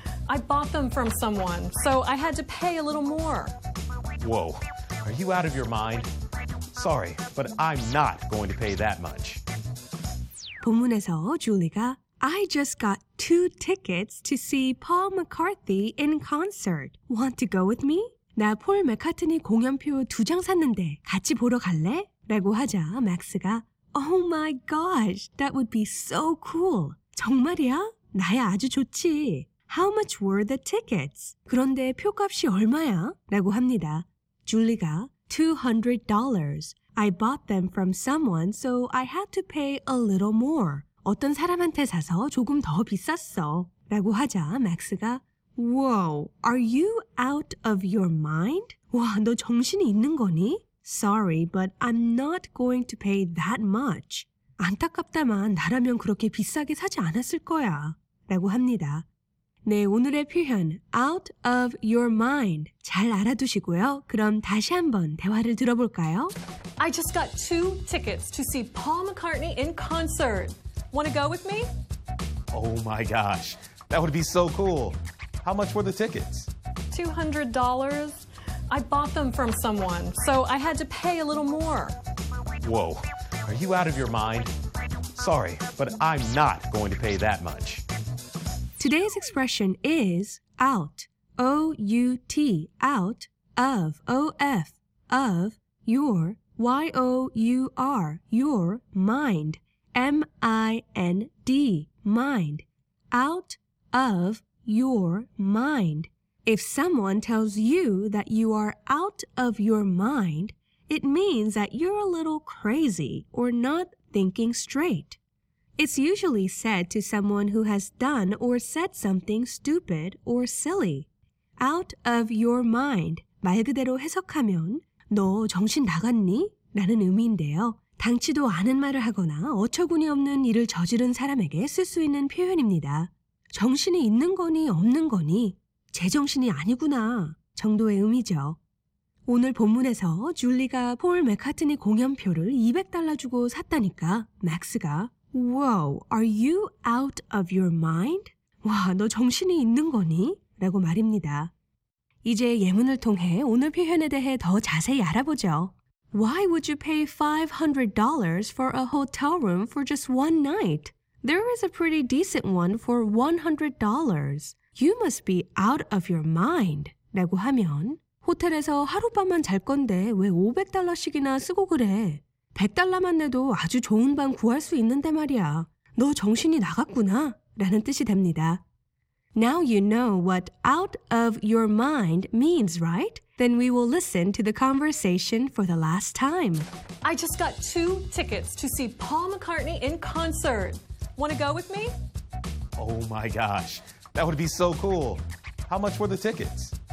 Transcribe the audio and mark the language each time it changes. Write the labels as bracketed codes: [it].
[en] I bought them from someone, so I had to pay a little more. Whoa, are you out of your mind? Sorry, but I'm not going to pay that much. [ko] 본문에서 줄리가 [en] I just got two tickets to see Paul McCartney in concert. Want to go with me? [ko] 나 폴 맥카트니 공연표 두 장 샀는데 같이 보러 갈래? 라고 하자 맥스가 [en] Oh my gosh, that would be so cool. [ko] 정말이야? 나야 아주 좋지. [en] How much were the tickets? [ko] 그런데 표값이 얼마야? 라고 합니다. 줄리가 $200. [en] I bought them from someone, so I had to pay a little more. [ko] 어떤 사람한테 사서 조금 더 비쌌어. 라고 하자 맥스가 [en] Whoa, are you out of your mind? [ko] 와, 너 정신이 있는 거니? [en] Sorry, but I'm not going to pay that much. [ko] 안타깝다만 나라면 그렇게 비싸게 사지 않았을 거야. 라고 합니다. 네, 오늘의 표현 [en] out of your mind [ko] 잘 알아두시고요. 그럼 다시 한번 대화를 들어볼까요? [en] I just got two tickets to see Paul McCartney in concert. Want to go with me? Oh my gosh, that would be so cool. How much were the tickets? $200. I bought them from someone, so I had to pay a little more. Whoa, are you out of your mind? Sorry, but I'm not going to pay that much. Today's expression is out, O-U-T, out of, O-F, of your, Y-O-U-R, your mind, M-I-N-D, mind, out of your mind. If someone tells you that you are out of your mind, it means that you're a little crazy or not thinking straight. It's usually said to someone who has done or said something stupid or silly. Out of your mind. [ko] 말 그대로 해석하면 너 정신 나갔니? 라는 의미인데요. 당치도 않은 말을 하거나 어처구니 없는 일을 저지른 사람에게 쓸 수 있는 표현입니다. 정신이 있는 거니 없는 거니 제정신이 아니구나 정도의 의미죠. 오늘 본문에서 줄리가 폴 맥카트니 공연표를 $200 주고 샀다니까 맥스가 [en] Wow, are you out of your mind? [ko] 와, 너 정신이 있는 거니? 라고 말입니다. 이제 예문을 통해 오늘 표현에 대해 더 자세히 알아보죠. [en] Why would you pay $500 for a hotel room for just one night? There is a pretty decent one for $100. You must be out of your mind. [ko] 라고 하면 호텔에서 하룻밤만 잘 건데 왜 $500씩이나 쓰고 그래? 100달러만 내도 아주 좋은 방 구할 수 있는데 말이야. 너 정신이 나갔구나 라는 뜻이 됩니다. [en] Now you know what out of your mind means, right? Then we will listen to the conversation for the last time. I just got two tickets to see Paul McCartney in concert. Want to go with me? Oh my gosh, that would be so cool. How much were the tickets?